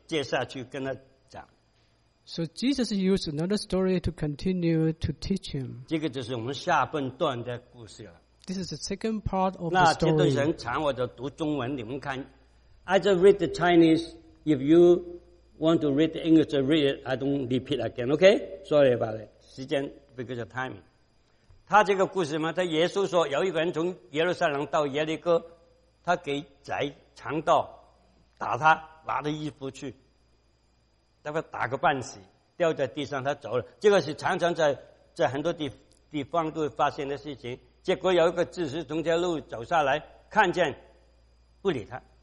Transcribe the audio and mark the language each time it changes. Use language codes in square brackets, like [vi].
[zh] 耶稣就用一个故事来接下去跟他讲。 [en] So Jesus used another story to continue to teach him. [zh] 这个就是我们下半段的故事了。 [en] This is the second part of the story. [zh] 那这段神长我就读中文，你们看。 [en] I just read the Chinese. If you want to read the English, read it. I don't repeat again, okay? Sorry about it. [zh] 时间, [en] because of timing. [zh] 他这个故事嘛，他耶稣说，有一个人从耶路撒冷到耶利哥，他给贼强盗打他，拿了衣服去，大概打个半死，掉在地上，他走了。这个是常常在很多地方都会发现的事情。结果有一个知识从这路走下来，看见，不理他。